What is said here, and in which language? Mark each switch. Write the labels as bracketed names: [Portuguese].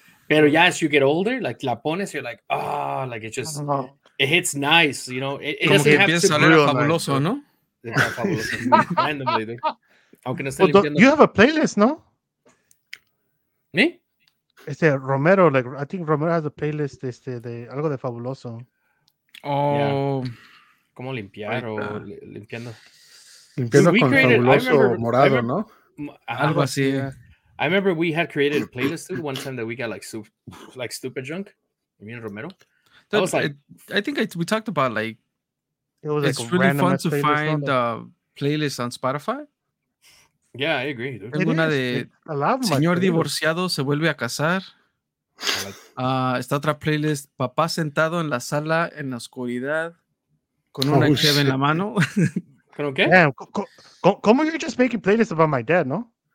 [Spanish] Pero ya, [English] as you get older, like, [Spanish] la pones, [English] you're like, ah, oh, like, it just, it hits nice, you know? It [Spanish] como que empieza a leer fabuloso, nice, ¿no? [English] Well, you have a playlist, no? Me? Este Romero, like, I think Romero has a playlist [Spanish] este de algo de fabuloso. [English] Oh, yeah. [Spanish] ¿Cómo limpiar o limpiando? Limpiando con created, fabuloso remember, morado, remember, ¿no? Algo así. Yeah. [English] I remember we had created a playlist too, one time that we got like stupid drunk. Me and Romero. That was like, I think we talked about, like, it was like, it's really fun to find a playlist on Spotify. Yeah, I agree. [Spanish] Tengo una de Señor Divorciado Se Vuelve a Casar. Está otra playlist, Papá Sentado en la Sala en la Oscuridad con una cheve en la mano. ¿Con qué? [English] ¿Cómo you're just making playlists about my dad, no?